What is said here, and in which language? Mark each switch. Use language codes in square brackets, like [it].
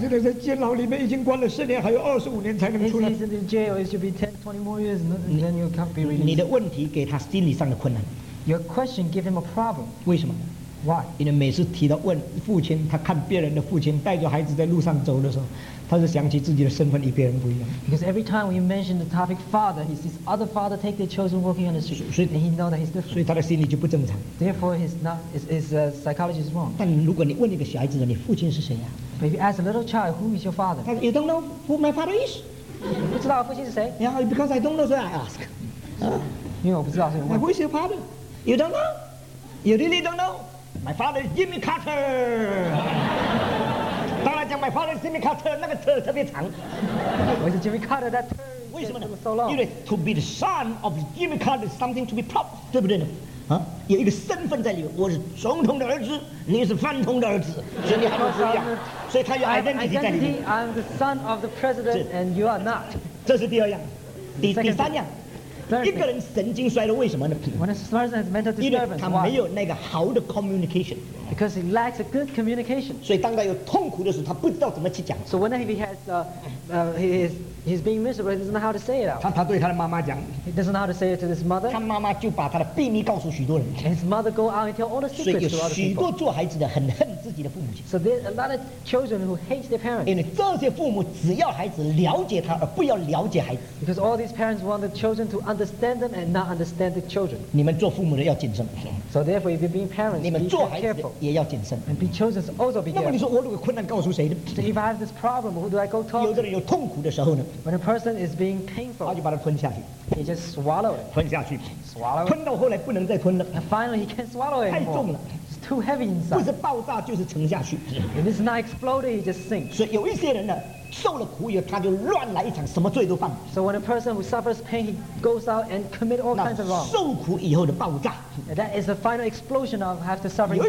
[zh] 现在在监牢里面已经关了10年，还有25年才能出来。 [en] He's in jail. It should be 10-20 more years, and then you can't be released. [zh] 你的问题给他心理上的困难。 [en] Your question gave him a problem. [zh] 为什么 [en] ？Why？ [zh] 因为每次提到问父亲，他看别人的父亲带着孩子在路上走的时候，他是想起自己的身份与别人不一样。 [en] Because every time we mention the topic father, he sees other father take their children walking on the street, and he knows that he's different. [zh] 所以他的心理就不正常。 [en] Therefore, his psychology is wrong. [zh] 但如果你问一个小孩子，你父亲是谁呀、啊、 [en] ？But if you ask a little child, who is your father? You don't know who my father is. [zh] 不知道父亲是谁 [en] ？Yeah, because I don't know, so I ask. [zh] 因为我不知道是。 [en] Who is your father? You don't know? You really don't know? My father is Jimmy Carter. [zh] 当然讲 [en] my father is Jimmy Carter, [zh] 那个车特别长。 [en] Why is Jimmy Carter that turn? [zh] 为什么呢 [en] ？So long. [zh] 因为 [en] to be the son of Jimmy Carter is something to be proud, [zh] 对不对呢？啊，有一个身份在里面，我是总统的儿子，你是饭桶的儿子，所以你还不是一样，所以他有 [en] identity [zh] 在里面。 [en] I'm the son of the president, and you are not. [zh] 这是第二样，第三样。一个人神经衰弱，为什么呢 [en] ？When a person has mental disturbance, [zh] 因为他没有那个好的 communication. [en] Because he lacks a good communication. [zh] 所以当他有痛苦的时候，他不知道怎么去讲。 [en] So when he has, he's being miserable, he doesn't know how to say it out. [zh] 他对他的妈妈讲。 [en] He doesn't know how to say it to his mother. [zh] 他妈妈就把他的秘密告诉许多人。 [en] His mother go out and tell all the secrets to other people. [zh] 所以有许多做孩子的很恨自己的父母亲。 [en] So there's a lot of children who hate their parents. [zh] 因为这些父母只要孩子了解他，而不要了解孩子。 [en] Because all these parents want the children to understand them and not understand the children. [zh] 你们做父母的要谨慎。 [en] So therefore, if you're being parents, [zh] 你们做孩子也要谨慎。 [en] And be chosen also be careful. [zh] 那么你说我如果困难告诉谁呢 [en] ？So if I have this problem, who do I go talk? [zh] 有的人有痛苦的时候呢 [en] ？When a person is being painful, [zh] 他就把它吞下去。 [en] He just swallow it. [zh] 吞下去。 [en] Swallow. [zh] 吞到后来不能再吞了。 [en] And finally, he can't swallow it. [zh] 太重了。 [en] It's too heavy inside. [zh] 不是爆炸就是沉下去。 [en] And it's not exploding, he just sinks. [zh] 所以有一些人呢。受了苦以后，他就乱来一场，什么罪都犯。 [en] So when a person who suffers pain, he goes out and commit all kinds of wrong. [zh] 受苦以后的爆炸。 [en] That is the final explosion of after suffering pain.